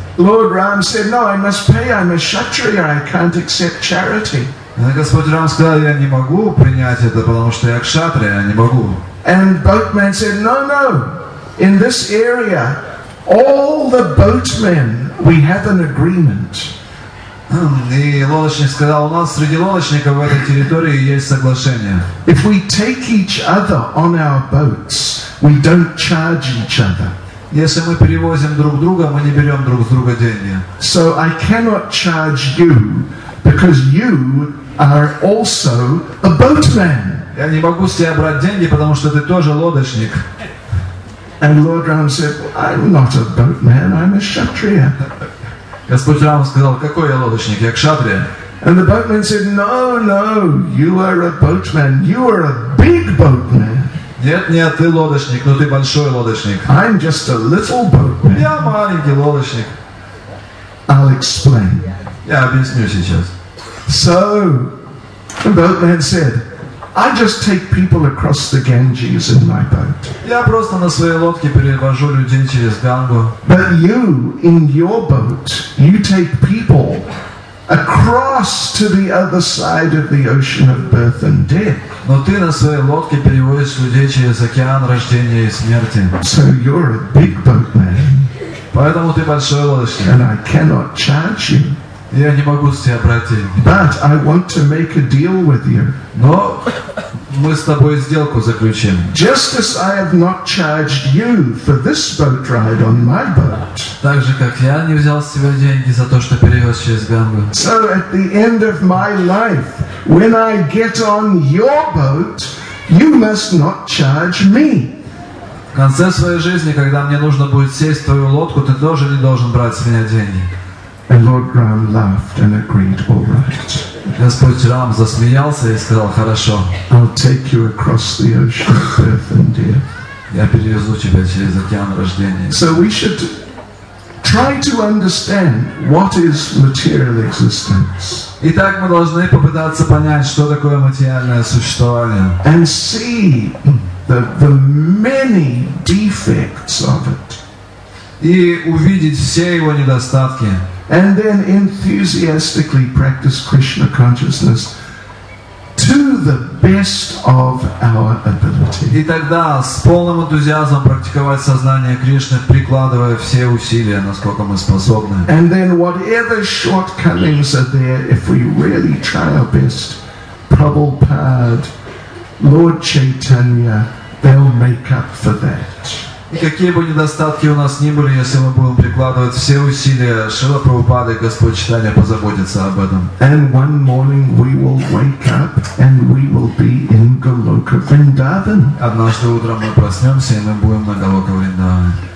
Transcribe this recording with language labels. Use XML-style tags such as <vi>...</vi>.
<en>Lord Ram said, no, I must pay, I'm a kshatriya, I can't accept charity.</en> <ru>Господь Рам сказал, я не могу принять это, потому что я кшатрия, я не могу.</ru> <en>And boatman said, no. In this area, all the boatmen, we have an agreement.</en> <ru>И лодочник сказал, у нас среди лодочников в этой территории есть соглашение.</ru> <en>If we take each other on our boats, we don't charge each other.</en> <ru>Если мы перевозим друг друга, мы не берем друг с друга деньги.</ru> <en>So I cannot charge you, because you are also a boatman.</en> <ru>Я не могу с тебя брать деньги, потому что ты тоже лодочник.</ru> <en>And Lord Ram said, I'm not a boatman, I'm a kshatriya.</en> <ru>Господь Рама сказал, какой я лодочник, я кшатрия.</ru> <en>And the boatman said, no, you are a boatman, you are a big boatman.</en> <ru>Нет, нет, ты лодочник, но ты большой лодочник.</ru> <en>I'm just a little boatman.</en> <ru>Я маленький лодочник.</ru> <en>I'll explain.</en> <ru>Я объясню сейчас.</ru> <en>So, the boatman said, I just take people across the Ganges in my boat.</en> <ru>Я просто на своей лодке перевожу людей через Гангу.</ru> <en>But you, in your boat, you take people across to the other side of the ocean of birth and death.</en> <ru>Но ты на своей лодке перевозишь людей через океан рождения и смерти.</ru> <en>So you're a big boatman.</en> <ru>Поэтому ты большой лодочник.</ru> <en>And I cannot charge you.</en> <ru>Я не могу с тебя брать деньги.</ru> <en>But I want to make a deal with you.</en> <ru>Но мы с тобой сделку заключим.</ru> <en>Just as I have not charged you for this boat ride on my boat.</en> <ru>Так же, как я не взял с тебя деньги за то, что перевез через Гангу.</ru> <en>So at the end of my life, when I get on your boat, you must not charge me.</en> <ru>В конце своей жизни, когда мне нужно будет сесть в твою лодку, ты тоже не должен брать с меня деньги.</ru> <en>And Lord Ram laughed and agreed, all right.</en> <ru>Господь Рам засмеялся и сказал, хорошо.</ru> <en>I'll take you across the ocean of birth and death.</en> <ru>Я перевезу тебя через океан рождения.</ru> <en>So we should try to understand what is material existence.</en> <ru>Итак, мы должны попытаться понять, что такое материальное существование.</ru> <en>And see the many defects of it.</en> <ru>И увидеть все его недостатки.</ru> <en>And then enthusiastically practice Krishna consciousness to the best of our ability.</en> <ru>И тогда с полным энтузиазмом практиковать сознание Кришны, прикладывая все усилия, насколько мы способны.</ru> <en>And then whatever shortcomings are there, if we really try our best, Prabhupada, Lord Chaitanya, they'll make up for that.</en> <ru>И какие бы недостатки у нас ни были, если мы будем прикладывать все усилия, Шрила Прабхупада и Господь Читания позаботится об этом.</ru> <en>And one morning we will wake up and we will be in Goloka Vrindavan.</en> <ru>Однажды утром мы проснемся и мы будем на Голока Вриндаване.</ru>